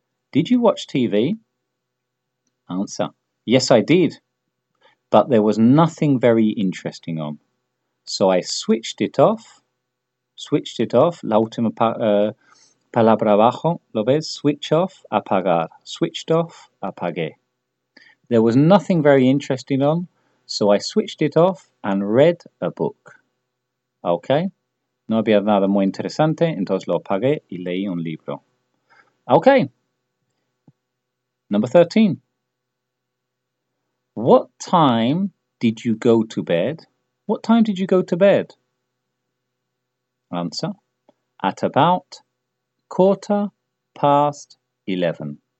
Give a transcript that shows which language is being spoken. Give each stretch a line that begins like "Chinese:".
English: ¿Did you watch TV? Answer. Yes, I did. But there was nothing very interesting on. So I switched it off. Switched it off,
Spanish: la última palabra abajo, ¿lo ves?
English: Switch off, apagar. Switched off, apagué. There was nothing very interesting on, so I switched it off and read a book. Okay?
Spanish: No había nada muy interesante, entonces lo apagué y leí un libro.
English: Okay. Number 13. What time did you go to bed? What time did you go to bed? Answer, at about 11:15.